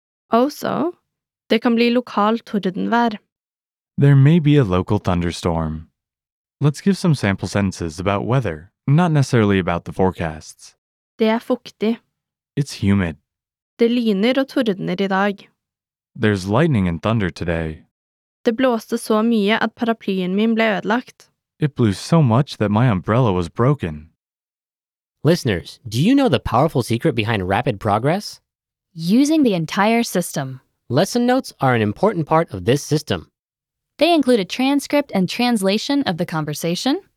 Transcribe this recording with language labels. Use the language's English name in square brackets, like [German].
[Norwegian] Also, det kan bli lokal tordenvær. [English] There may be a local thunderstorm. Let's give some sample sentences about weather, not necessarily about the forecasts. [Norwegian] Det fuktig. [English] It's humid. [Norwegian] Det lyner og tordner I dag. [English] There's lightning and thunder today. [Norwegian] Det blåste så mye at paraplyen min ble ødelagt. [English] It blew so much that my umbrella was broken. Listeners, do you know the powerful secret behind rapid progress? Using the entire system. Lesson notes are an important part of this system. They include a transcript and translation of the conversation,